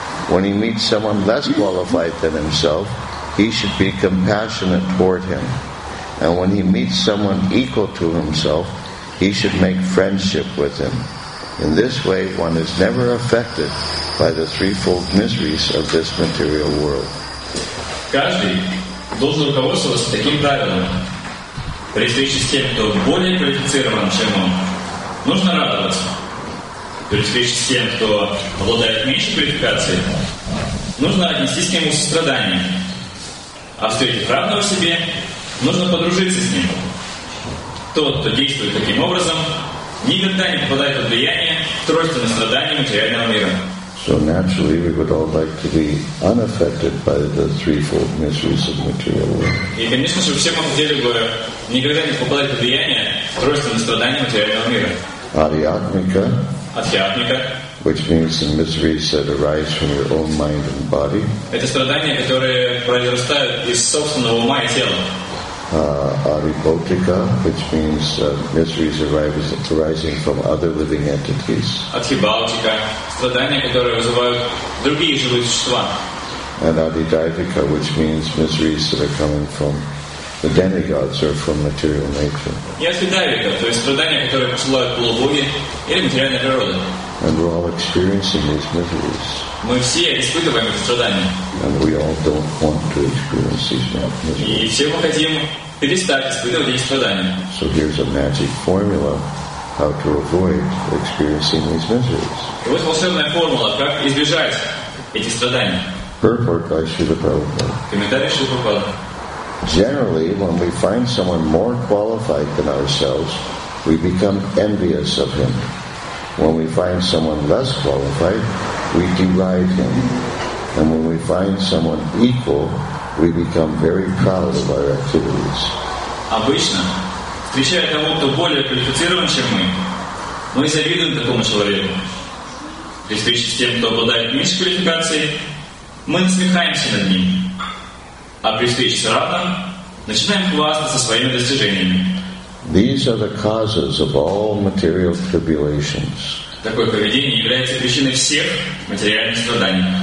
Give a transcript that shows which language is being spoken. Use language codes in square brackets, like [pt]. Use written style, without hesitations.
[en] When he meets someone less qualified than himself, he should be compassionate toward him. And when he meets someone equal to himself, he should make friendship with him. In this way, one is never affected by the threefold miseries of this material world. [ru] Каждый должен руководствоваться таким правилом. При встрече с тем, кто более квалифицирован, чем он, нужно радоваться. При встрече с тем, кто обладает меньшей квалификацией, нужно отнестись к нему состраданием. А встретив равного себе, нужно подружиться с ним. Тот, кто действует таким образом, никогда не попадает под влияние тройственного страдания материального мира. [en] So naturally, we would all like to be unaffected by the threefold miseries of material world. [ru] И, конечно же, все мы хотели бы никогда не попадать под влияние тройственного страдания материального мира. [sa] Адхьятмика. Адхьятмика. [en] Which means the miseries that arise from your own mind and body. [ru] Это страдания, которые произрастают из собственного ума и тела. [en] Adhibhautika, which means miseries arising from other living entities. [ru] Adhibhautika, страдания, которые вызывают другие живые существа. [en] And Adhidaivika, which means miseries that are coming from the demigods or from material nature. [ru] И Adhidaivika, то есть страдания, которые посылают полубоги или материальная природа. [en] And we're all experiencing these miseries. [ru] Мы все испытываем эти страдания. [en] And we all don't want to experience these miseries. [ru] И все мы хотим перестать испытывать эти страдания. [en] So here's a magic formula how to avoid experiencing these miseries. [ru] И вот волшебная формула, как избежать этих страданий. [en] Purport by Srila Prabhupada. [ru] Комментарий Шрилы Прабхупады. [en] Generally, when we find someone more qualified than ourselves, we become envious of him. When we find someone less qualified, we deride him. And when we find someone equal, we become very proud of our activities. [ru] Обычно, встречая кого-то более квалифицированным, чем мы завидуем такому человеку. При встрече с тем, кто обладает меньшей квалификацией, мы насмехаемся над ним. А при встрече с равным, начинаем хвастаться своими достижениями. [en] These are the causes of all material tribulations. [ru] Такое поведение является причиной всех материальных страданий.